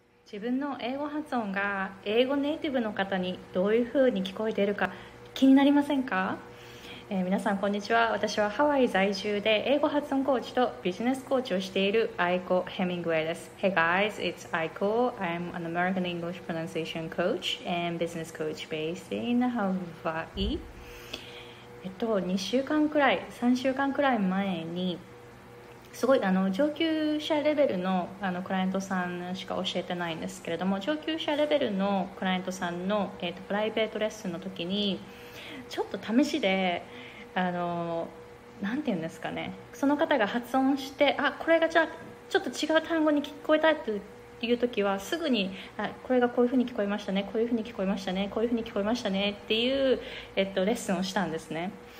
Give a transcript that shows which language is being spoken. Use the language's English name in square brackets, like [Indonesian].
[Japanese] 自分の英語発音が英語ネイティブの方にどういう風に聞こえているか気になりませんか？皆さんこんにちは。私はハワイ在住で英語発音コーチとビジネスコーチをしているアイコ・ヘミングウェイです。 [English] Hey guys, it's Aiko. I'm an American English pronunciation coach and business coach based in Hawaii. [Japanese] 2週間くらい、3週間くらい前にすごい上級者レベル のクライアントさんしか教えてないんですけれども、上級者レベルのクライアントさんの、プライベートレッスンの時にちょっと試しでなんて言うんですかね、その方が発音して、あ、これがじゃあちょっと違う単語に聞こえたっていう時はすぐに、あ、これがこういう風に聞こえましたね、こういう風に聞こえましたね、こういう風に聞こえましたねっていう、レッスンをしたんですね。